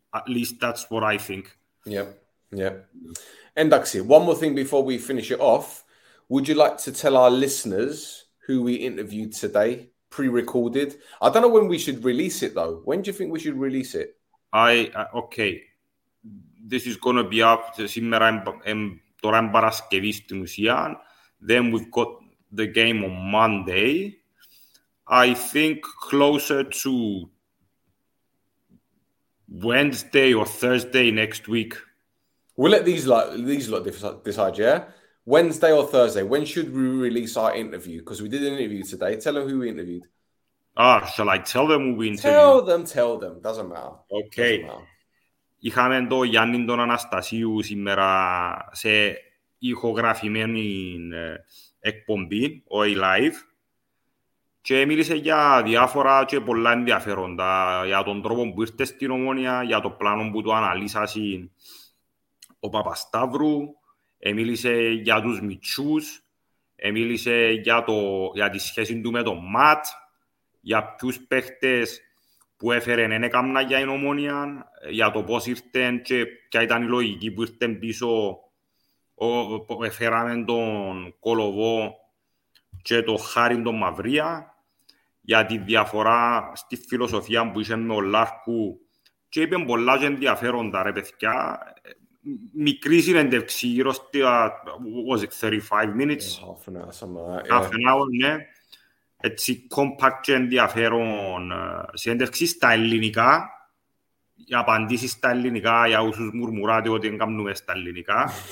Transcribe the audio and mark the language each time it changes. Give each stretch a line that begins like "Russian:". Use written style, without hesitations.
English: At least that's what I think. Yeah. And Duxie, one more thing before we finish it off. Would you like to tell our listeners who we interviewed today, pre-recorded. I don't know when we should release it, though. When do you think we should release it? Okay. This is going to be up.
Greek: Σήμερα είναι Παρασκευή στην ουσία.
English: Then we've got the game on Monday. I think closer to Wednesday or Thursday next week. We'll let these lot decide, yeah? Wednesday or Thursday? When should we release our interview? Because we did an interview today. Tell them who we interviewed. Shall I tell them who we interviewed? Tell them. Doesn't matter. Okay.
Greek: Είχαμε τον Γιάννη τον Αναστασίου σήμερα σε ηχογραφημένη εκπομπή, OA Live. Και μίλησε για διάφορα και πολλά ενδιαφέροντα για τον τρόπο που ήρθε στην Ομόνια, για το πλάνο που του αναλύσασε ο Παπασταύρου. Μίλησε για τους μητσούς, μίλησε για τη σχέση του με τον ΜΑΤ, για ποιους παίχτες που έφερε ένα καμνά για την Ομόνια, για το πώς ήρθε και ποια ήταν η λογική που ήρθε πίσω, έφεραμε τον Κολοβό και το Χάρι τον Μαυρία, για τη διαφορά στη φιλοσοφία που είχε με ο Λάρκου και είπε πολλά και ενδιαφέροντα ρε παιδιά. Μικρή συνέντευξη γύρω στη,
English: was it 35 minutes? Yeah, half an hour, something like that. Half an hour,
Greek: ναι. Έτσι, compact και ενδιαφέρον συνέντευξη στα ελληνικά. Οι απαντήσεις στα ελληνικά, για όσους μουρμουράτε ότι δεν κάνουμε στα ελληνικά.